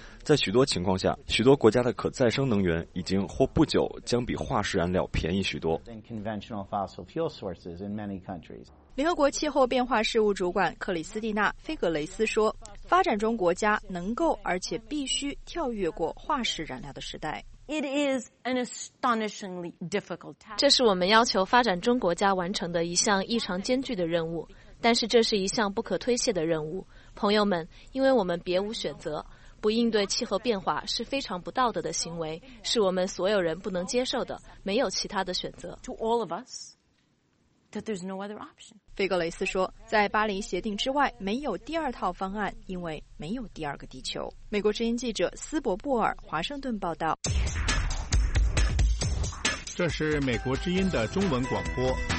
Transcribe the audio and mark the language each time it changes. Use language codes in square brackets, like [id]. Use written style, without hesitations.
[zh] 在许多情况下，许多国家的可再生能源已经或不久将比化石燃料便宜许多。联合国气候变化事务主管克里斯蒂娜·菲格雷斯说，发展中国家能够而且必须跳跃过化石燃料的时代。 [en] It is an astonishingly difficult task. [zh] 这是我们要求发展中国家完成的一项异常艰巨的任务，但是这是一项不可推卸的任务。朋友们，因为我们别无选择，不应对气候变化是非常不道德的行为，是我们所有人不能接受的，没有其他的选择。 [en] To all of us, that there's no other option. [zh] 菲格雷斯说，在巴黎协定之外，没有第二套方案，因为没有第二个地球。美国之音记者斯伯布尔，华盛顿报道。这是美国之音的中文广播。